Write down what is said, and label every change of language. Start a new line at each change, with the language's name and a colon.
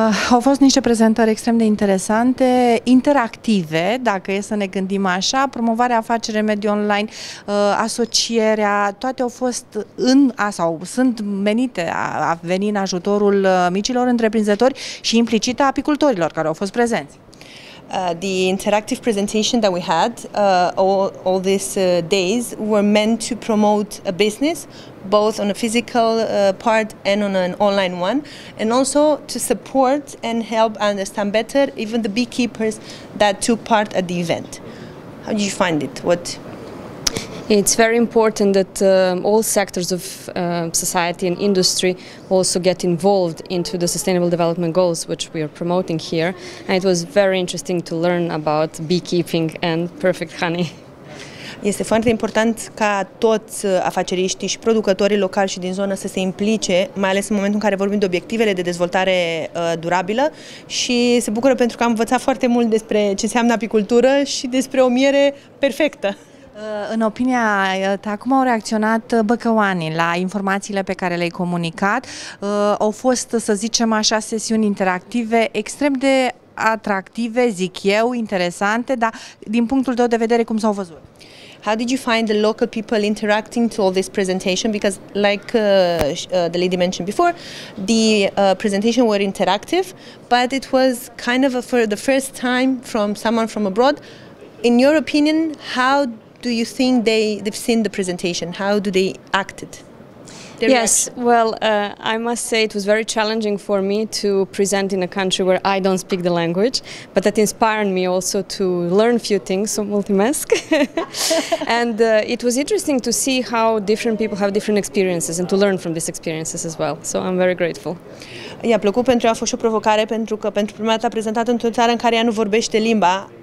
Romanian: Au fost niște prezentări extrem de interesante, interactive, dacă e să ne gândim așa, promovarea afacerii mediu online, asocierea, toate au fost în, sau sunt menite a veni în ajutorul micilor întreprinzători și implicit a apicultorilor care au fost prezenți.
English: The interactive presentation that we had all these days were meant to promote a business, both on a physical part and on an online one, and also to support and help understand better even the beekeepers that took part at the event. How did you find it? What? It's very important that all sectors of society and industry also get involved into the Sustainable Development Goals, which we are promoting here. And it was very interesting to learn about beekeeping and perfect honey.
Romanian: Este foarte important ca toți afaceriștii și producătorii locali și din zonă să se implice, mai ales în momentul în care vorbim de obiectivele de dezvoltare durabilă și se bucură pentru că am învățat foarte mult despre ce înseamnă apicultură și despre o miere perfectă. În opinia ta, cum au reacționat băcăoanii la informațiile pe care le-ai comunicat? Au fost, să zicem așa, sesiuni interactive, extrem de atractive, zic eu, interesante, dar din punctul tău de vedere, cum s-au văzut?
English: How did you find the local people interacting to all this presentation? Because like the lady mentioned before, the presentation were interactive, but it was kind of for the first time from someone from abroad. In your opinion, how do you think they've seen the presentation? How do they acted? Yes, well, I must say it was very challenging for me to present in a country where I don't speak the language, but that inspired me also to learn a few things, so multi-mask. And it was interesting to see how different people have different experiences and to learn from these experiences as well. So I'm very grateful.
Romanian: I-a plăcut pentru a fost și o provocare pentru că pentru prima dată a prezentat într-o țară în care ea nu vorbește limba.